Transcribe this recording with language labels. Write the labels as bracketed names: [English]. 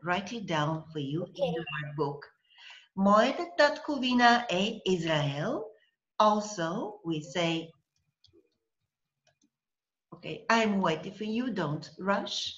[English] Write it down for you in the workbook. [Bulgarian] Моята татковина е Израел. [English] Also, we say, okay, I'm waiting for you, don't rush.